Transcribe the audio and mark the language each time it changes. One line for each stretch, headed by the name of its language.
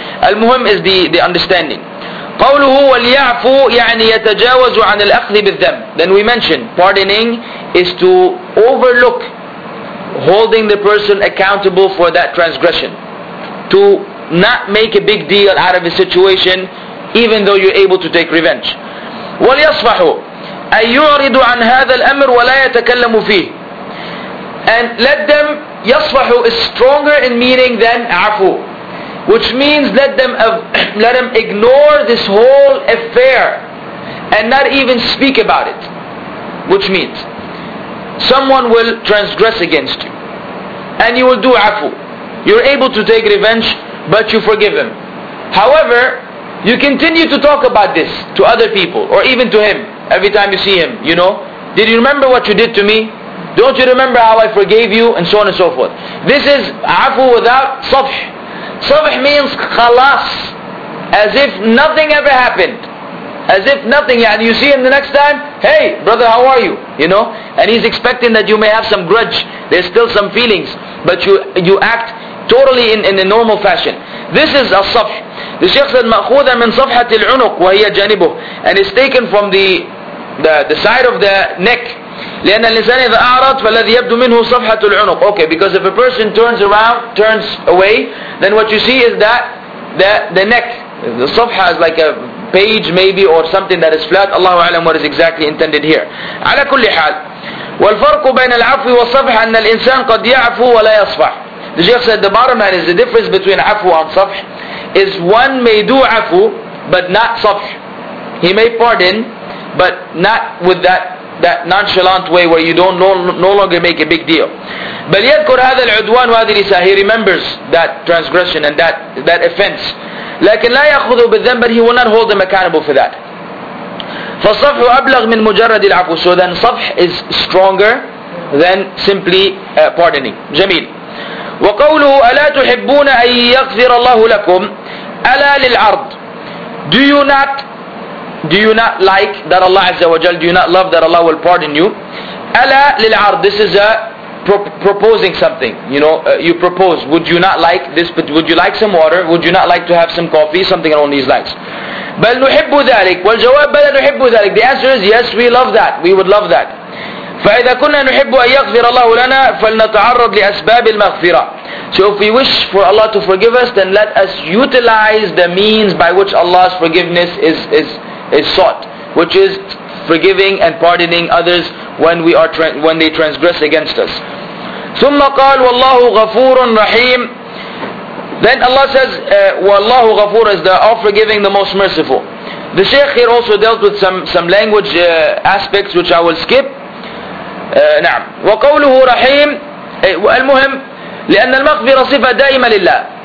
English: Al-muhim is the understanding.
Arabic: قوله وليعفو يعني يتجاوز عن الأخذ بالذنب.
English: Then we mentioned pardoning is to overlook holding the person accountable for that transgression, to not make a big deal out of a situation even though you're able to take revenge.
Arabic: وليصفحو أن يعرض عن هذا الأمر ولا يتكلم فيه.
English: And let them, yasfahu is stronger in meaning than afu, which means let them ignore this whole affair and not even speak about it. Which means someone will transgress against you and you will do afu, you're able to take revenge, but you forgive him. However, you continue to talk about this to other people or even to him every time you see him, you know, did you remember what you did to me? Don't you remember how I forgave you? And so on and so forth. This is afu without safh. Safh means khalas. As if nothing ever happened. As if nothing. And you see him the next time, hey brother, how are you? You know? And he's expecting that you may have some grudge. There's still some feelings. But you act totally in a normal fashion. This is a safh. The Shaykh said,
Arabic: مَأْخُوذَ مِنْ صَفْحَةِ الْعُنُقْ وَهِيَ جَانِبُهُ.
English: And it's taken from the side of the neck.
Arabic: لأن الإنسان إذا أعرض فالذي يبدو منه صفحة العنق.
English: Okay, because if a person turns around, turns away, then what you see is that the neck, the صفحة is like a page maybe or something that is flat.
Arabic: الله أعلم
English: what is exactly intended here.
Arabic: على كل حال, والفرق بين العفو والصفح أن الإنسان قد يعفو ولا يصفح.
English: The Sheikh said the bottom line is the difference between عفو and صفح is one may do عفو but not صفح. He may pardon but not with that nonchalant way where you don't no longer make a big deal.
Arabic: بل يذكر هذا العدوان وهذه الإساءة.
English: He remembers that transgression and that offense.
Arabic: لكن لا يأخذ بالذنب,
English: but he will not hold him accountable for that.
Arabic: فصفح أبلغ من مجرد العفو.
English: So then صفح is stronger than simply pardoning.
Arabic: جميل. وقوله ألا تحبون أن يغفر الله لكم ألا للعرض.
English: Do you not like that Allah Azza wa Jal, do you not love that Allah will pardon you?
Arabic: ألا للعرض,
English: this is a proposing something, you know, you propose, would you not like this, but would you like some water, would you not like to have some coffee, something along these lines.
Arabic: بل نحب ذلك والجواب بل نحب ذلك.
English: The answer is yes, we love that, we would love that.
Arabic: فإذا كنا نحب أن يغفر الله لنا فلنتعرض لأسباب المغفرة.
English: So if we wish for Allah to forgive us, then let us utilize the means by which Allah's forgiveness is sought, which is forgiving and pardoning others when they transgress against us.
Arabic: ثم قال والله غفور رحيم.
English: Then Allah says
Arabic: والله غفور
English: is the all-forgiving, the most merciful. The Shaykh here also dealt with some language aspects which I will skip.
Arabic: نعم. وقوله رحيم المهم لأن المغفرة صفة دائمة لله.